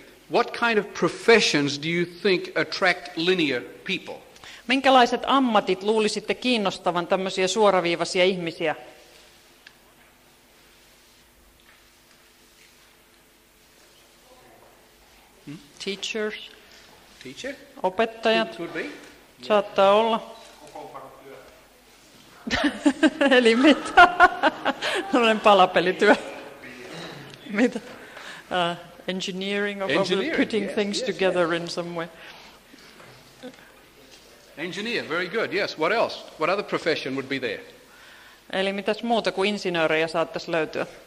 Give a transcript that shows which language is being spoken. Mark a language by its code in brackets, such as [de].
[en] What kind of professions do you think attract linear people? [fi] Minkälaiset ammatit luulisitte kiinnostavan tämmöisiä suoraviivaisia ihmisiä? [en] Teachers. Teacher? [fi] Opettajat. [en] Could be. [fi] Saattaa olla. Eli mitä? Olen palapelityö. Mitä? [en] Engineering, or probably putting things together in some way. Engineer, very good, yes. What else? What other profession would be there? [fi] Eli mitäs muuta kuin insinöörejä saattaisi löytyä?